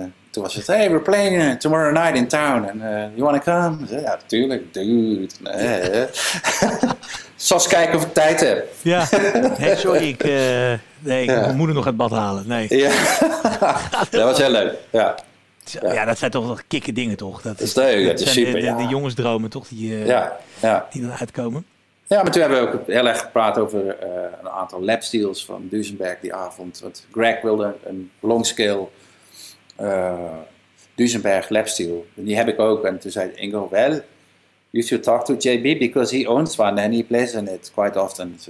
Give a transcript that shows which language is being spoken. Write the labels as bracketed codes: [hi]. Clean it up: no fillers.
[nl] toen was het, [en] hey, we're playing tomorrow night in town. And you want to come? [nl] Ik zei, ja, natuurlijk, dude. Nee. Zoals kijken of ik tijd heb. Ja, hey, sorry. Ik moet hem nog uit het bad halen. Nee. Ja. Dat was heel leuk. Ja, ja, dat zijn toch wel kikke dingen, toch? Dat is leuk. Dat is super. De jongensdromen, toch? Die dan uitkomen. Ja, maar toen hebben we ook heel erg gepraat over een aantal lap steals van Duesenberg die avond. Want Greg wilde een longscale... Duesenberg lapsteel. En die heb ik ook. En toen zei [en] Ingo, well, you should talk to JB because he owns one and he plays on it quite often.